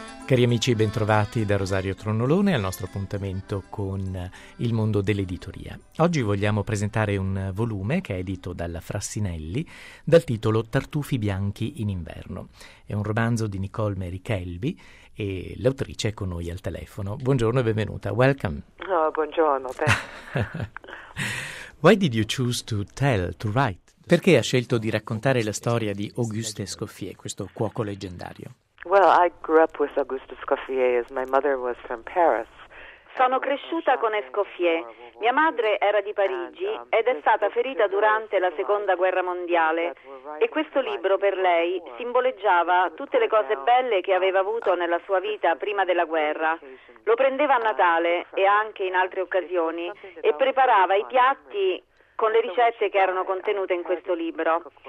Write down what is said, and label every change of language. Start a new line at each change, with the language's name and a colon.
Italian: Cari amici, bentrovati da Rosario Tronnolone al nostro appuntamento con il mondo dell'editoria. Oggi vogliamo presentare un volume che è edito dalla Frassinelli dal titolo Tartufi bianchi in inverno. È un romanzo di Nicole Mary Kelby e l'autrice è con noi al telefono. Buongiorno e benvenuta.
English: Welcome.
Italian: Oh, buongiorno a te.
English: Why did you choose to tell, to write?
Italian: Perché ha scelto di raccontare la storia di Auguste Escoffier, questo cuoco leggendario?
English: Well, I grew up with Auguste Escoffier as my mother was from Paris.
Italian: Sono cresciuta con Escoffier. Mia madre era di Parigi ed è stata ferita durante la Seconda Guerra Mondiale e questo libro per lei simboleggiava tutte le cose belle che aveva avuto nella sua vita prima della guerra. Lo prendeva a Natale e anche in altre occasioni e preparava i piatti con le ricette che erano contenute in questo libro.